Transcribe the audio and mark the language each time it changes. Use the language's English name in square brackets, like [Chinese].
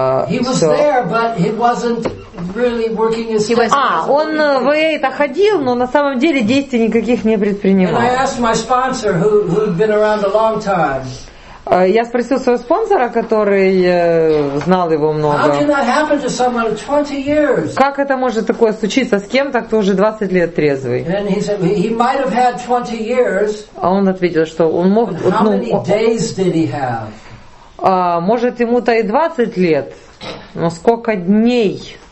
[English] He was there, but he wasn't really working his steps. [Russian] Он в это ходил, но на самом деле действий никаких не предпринимал. [English] And I asked my sponsor, who'd been around a long time. [Russian] Я спросил своего спонсора, который знал его много. [English] How can that happen to someone 20 years? [Russian] Как это может такое случиться с кем-то, кто уже 20 лет трезвый? [English] And he said he might have had 20 years. [Russian] А он ответил, что он мог. [English] How many days did he have? [Russian] Может, ему-то и 20 лет, но сколько дней?